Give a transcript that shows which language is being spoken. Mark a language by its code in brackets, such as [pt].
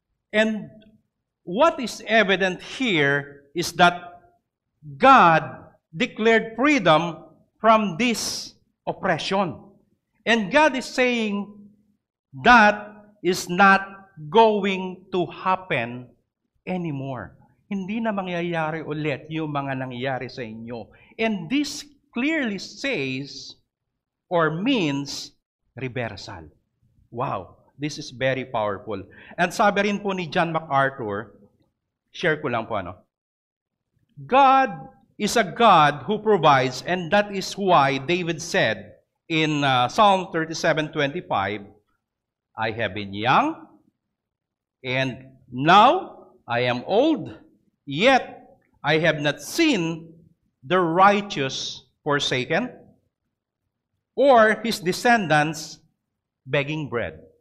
[en] And what is evident here is that God declared freedom from this oppression. And God is saying that is not going to happen anymore. [tl] Hindi na mangyayari ulit yung mga nangyayari sa inyo. [en] And this clearly says or means reversal. Wow, this is very powerful. And [tl] sabi rin po ni [en] John MacArthur, [tl] share ko lang po ano, [en] God is a God who provides, and that is why David said in Psalm 37:25, I have been young and now I am old, yet I have not seen the righteous forsaken or his descendants begging bread.